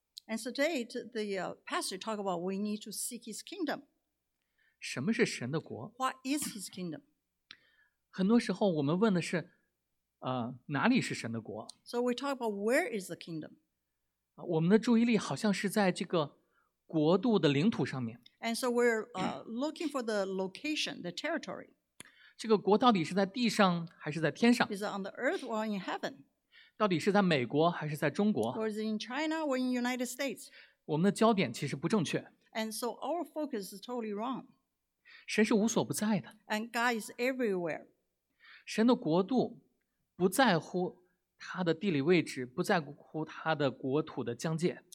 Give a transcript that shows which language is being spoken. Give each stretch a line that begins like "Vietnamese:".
English: And so today, the pastor talked about we need to seek his kingdom.
Chinese: 什么是神的国？
English: What is his kingdom?
Chinese: 很多时候我们问的是哪里是神的国？
English: So we talk about where is the kingdom.
Chinese: 我们的注意力好像是在这个国度的领土上面。
English: And so we're looking for the location, the territory.
Chinese: 这个国到底是在地上还是在天上？
English: Is it on the earth or in heaven?
Chinese: 到底是在美国还是在中国？
English: Or is it in China or in United States?
Chinese: 我们的焦点其实不正确。
English: And so our focus is totally wrong.
Chinese: 神是无所不在的。
English: And God is everywhere.
Chinese: 神的国度不在乎他的地理位置，不在乎他的国土的疆界。